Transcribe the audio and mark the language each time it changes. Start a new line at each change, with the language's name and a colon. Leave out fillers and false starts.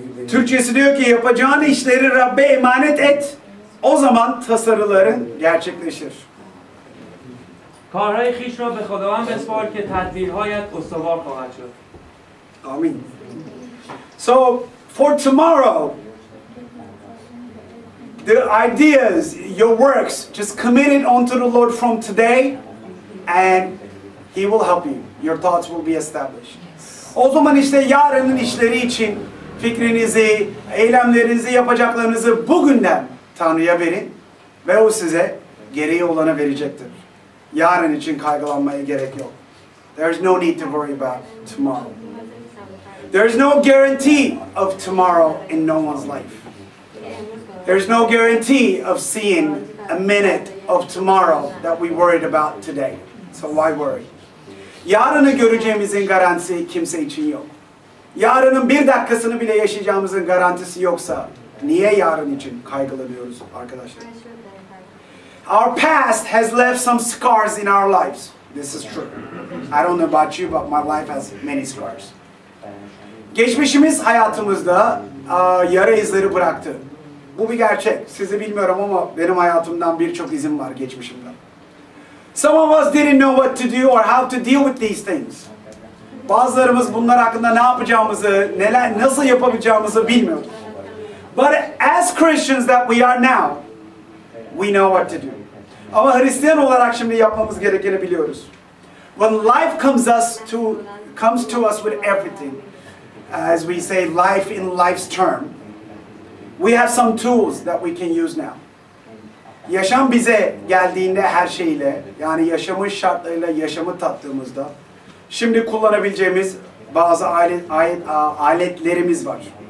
Turkish: Türkçesi diyor ki, yapacağın işleri Rabbe emanet et, o zaman tasarıların gerçekleşir.
Persian: کارهای خیش را به خداوند بسپار که تدبیرهایت استوار خواهد شد. آمین.
English: So for tomorrow, the ideas, your works, just commit it unto the Lord from today, and He will help you. Your thoughts will be established.
Turkish: O zaman işte yarının işleri için fikrinizi, eylemlerinizi, yapacaklarınızı bugünden Tanrı'ya verin ve o size geriye olanı verecektir. Yarın için kaygılanmaya gerek yok.
English: There's no need to worry about tomorrow. There's no guarantee of tomorrow in no one's life. There's no guarantee of seeing a minute of tomorrow that we worried about today. So why worry?
Turkish: Yarını göreceğimizin garantisi kimse için yok. Yarının bir dakikasını bile yaşayacağımızın garantisi yoksa niye yarın için kaygılanıyoruz arkadaşlar?
English: Our past has left some scars in our lives. This is true. I don't know about you, but my life has many scars.
Turkish: Geçmişimiz hayatımızda yara izleri bıraktı. Bu bir gerçek. Sizi bilmiyorum ama benim hayatımdan birçok izim var geçmişimde.
English: Some of us didn't know what to do or how to deal with these things.
Turkish: Bazılarımız bunlar hakkında ne yapacağımızı, neler, nasıl yapabileceğimizi bilmiyor.
English: But as Christians that we are now, we know what to do.
Turkish: Ama Hristiyan olarak şimdi yapmamız gerekeni biliyoruz.
English: When life comes to us with everything, as we say, life in life's term, we have some tools that we can use now.
Turkish: Yaşam bize geldiğinde her şeyle, yani yaşamın şartlarıyla yaşamı tattığımızda, şimdi kullanabileceğimiz bazı aletlerimiz var.